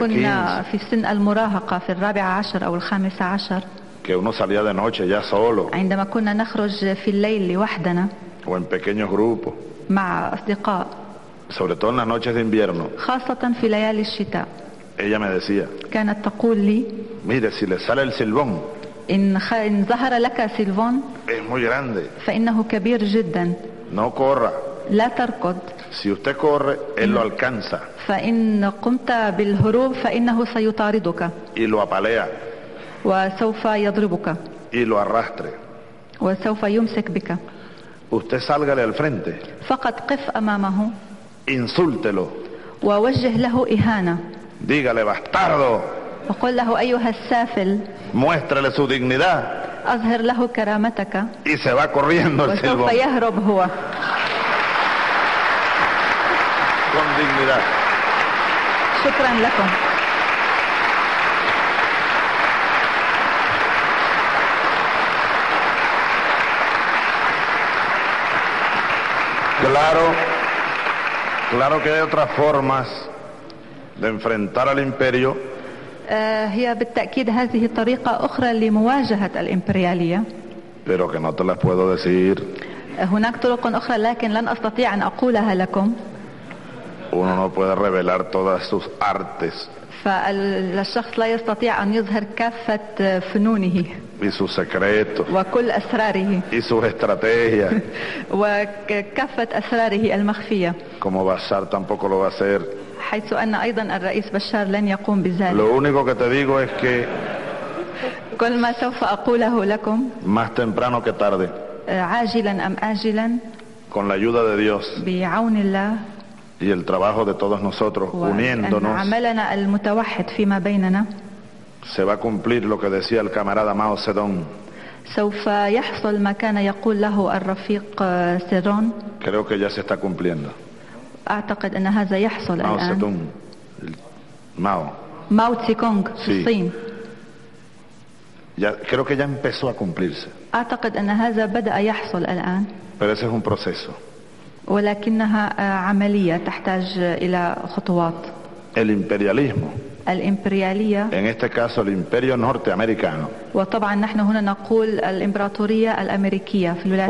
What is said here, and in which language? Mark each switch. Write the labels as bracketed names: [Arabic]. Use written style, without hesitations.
[Arabic] عندما كنا في سن المراهقة في الرابعة عشر أو الخامسة عشر. [Spanish] Que uno salía de noche ya solo. [Arabic] عندما كنا نخرج في الليل وحدنا. [Spanish] O en pequeños grupos. [Arabic] مع أصدقاء. [Spanish] Sobre todo en las noches de invierno. [Arabic] خاصة في ليالي الشتاء. [Spanish] Ella me decía. [Arabic] كانت تقول لي. [Spanish] Mire, si le sale el silbón. [Arabic] إن ظهر لك سيلفون. [Spanish] Es muy grande. [Arabic] فإنه كبير جدا. [Spanish] No corra. [Arabic] لا تركض. [Spanish] Si usted corre, él lo alcanza. [Arabic] فإن قمت بالهروب فإنه سيطاردك. [Spanish] Y lo apalea. [Arabic] وسوف يضربك. [Spanish] Y lo arrastre. [Arabic] وسوف يمسك بك. [Spanish] Usted sálgale al frente. [Arabic] فقط قف أمامه. [Spanish] Insúltelo. [Arabic] ووجه له إهانة. [Spanish] Dígale bastardo. [Arabic] وقل له أيها السافل. [Spanish] Muéstrele su dignidad. [Arabic] أظهر له كرامتك. [Spanish] Y se va corriendo el silbón. [Arabic] وسوف يهرب هو. [Spanish] Con dignidad. [Arabic] شكرا لكم. [Spanish] Claro. Claro que hay otras formas de enfrentar al imperio. [Arabic] هي بالتأكيد هذه طريقة أخرى لمواجهة الإمبريالية. [Spanish] Pero que no te las puedo decir. [Arabic] هناك طرق أخرى لكن لن أستطيع أن أقولها لكم. [Spanish] Uno no puede revelar todas sus artes. [Arabic] فالشخص لا يستطيع أن يظهر كافة فنونه. [Spanish] Y sus secretos. [Arabic] وكل أسراره. [Spanish] Y sus estrategias. [Arabic] وكافة أسراره المخفية. [Spanish] Como Bashar tampoco lo va a hacer. [Arabic] حيث أن أيضا الرئيس بشار لن يقوم بذلك. [Spanish] Lo único que te digo es que. [Arabic] كل ما سوف أقوله لكم. [Spanish] Más temprano que tarde. [Arabic] عاجلا أم آجلا. [Spanish] Con la ayuda de Dios. [Arabic] بعون الله. [Spanish] Y el trabajo de todos nosotros uniéndonos. [Arabic] عملنا المتوحد فيما بيننا. [Spanish] Se va a cumplir lo que decía el camarada Mao Zedong. [Arabic] سوف يحصل ما كان يقول له الرفيق سيرون. [Spanish] Creo que ya se está cumpliendo. [Arabic] أعتقد أن هذا يحصل الآن. [Spanish] Mao Zedong. Mao. Mao Zedong. Sí. Ya, creo que ya empezó a cumplirse. [Arabic] أعتقد أن هذا بدأ يحصل الآن. [Spanish] Pero ese es un proceso. [Arabic] ولكنها عملية تحتاج إلى خطوات. [Spanish] El imperialismo. [Arabic] الإمبريالية. [Spanish] En este caso el imperio norteamericano. [Arabic] وطبعا نحن هنا نقول الإمبراطورية الأمريكية في الولايات